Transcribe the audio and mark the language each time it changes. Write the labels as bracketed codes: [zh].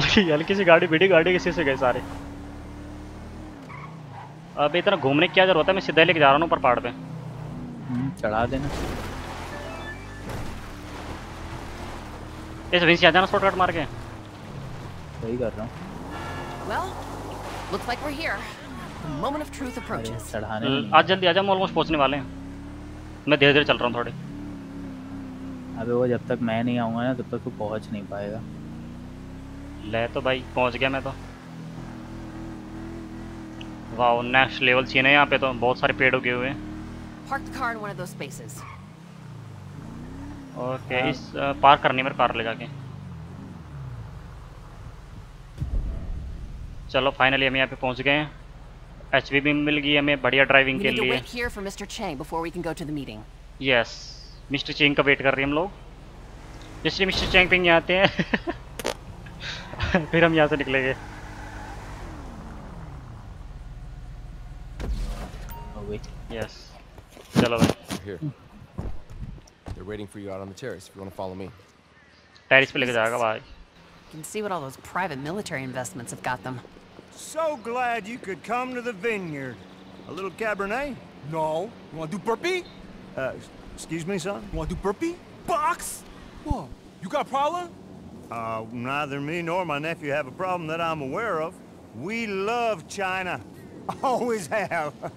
[hi] हल्की सी गाड़ी भिड़ी, गाड़ी के शीशे गए सारे। अब इतना घूमने की क्या जरूरत है, मैं सीधा लेके जा रहा हूँ ऊपर पहाड़ पे। चढ़ा देना इस विंस, आ जाना शॉर्टकट मार के। सही कर रहा हूँ। [en] Well, looks like we're here. Moment of truth approaches. [hi] आज जल्दी आ जा, हम ऑलमोस्ट पहुंचने वाले हैं। मैं धीरे-धीरे चल रहा हूं थोड़े। अबे वो जब तक मैं नहीं आऊंगा ना तब तक तू पहुंच नहीं पाएगा। ले तो भाई पहुंच गया मैं तो। वाओ नेक्स्ट लेवल सीन है यहां पे तो, बहुत सारे पेड़ उगे हुए हैं। [en] Park the car in one of those spaces. [hi] Okay इस पार्क करने में कार ले जाके। चलो फाइनली हम यहां पे पहुंच गए हैं। HVB मिल गई हमें बढ़िया ड्राइविंग के लिए। यस मिस्टर चेंग का वेट कर रहे हैं हम लोग। जैसे मिस्टर चेंग पिंग आते हैं फिर हम यहाँ से निकलेंगे। [en] yes [hi] चलो [en] Waiting for you out on the terrace if you want to follow me. [hi] Terrace पे लेके जाएगा भाई। [en] You can see what all those private military investments have got them. So glad you could come to the vineyard. A little Cabernet? No. You want to do burpee? Excuse me, son? You want to do burpee? Box? What? You got a problem? Neither me nor my nephew have a problem that I'm aware of. We love China. Always have.